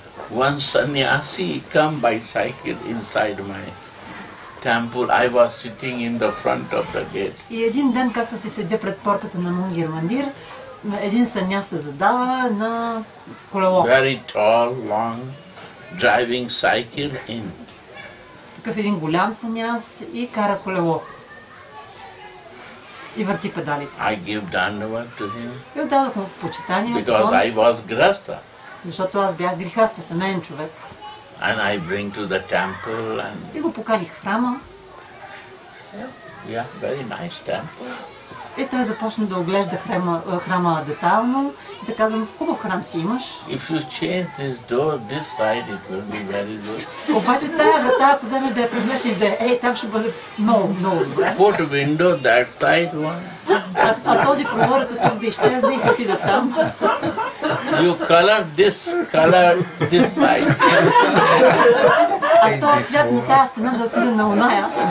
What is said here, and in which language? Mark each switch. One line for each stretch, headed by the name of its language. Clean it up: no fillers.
English: One sannyasi come by cycle inside my temple. I was sitting in the front of the gate.
Bulgarian: И един ден, както си седя пред портата на Мунгир Мандир, един саня се задава на колело.
English: Very tall, long, driving cycle in.
Bulgarian: Такъв един голям саняс и кара колело. И върти педалите.
English: I give dandavat to him.
Bulgarian: И отдадох му почитание.
English: Because I was grihastha.
Bulgarian: Защото аз бях грихаста, семейен човек.
English: And I bring to the temple and...
Bulgarian: И го поканих в храма.
English: Yeah, very nice temple.
Bulgarian: И той започна да оглежда храма детайлно. И да казвам, хубав храм си имаш.
English: If you change this door, this side it will be very good.
Bulgarian: Обаче тая врата, ако вземеш да я преместиш, да е, там ще бъде много добре.
English: Put window that side one.
Bulgarian: А този прозорец от тук да изчезне и отида там.
English: You color this side.
Bulgarian: А този цвят на тази стена да отида на оная.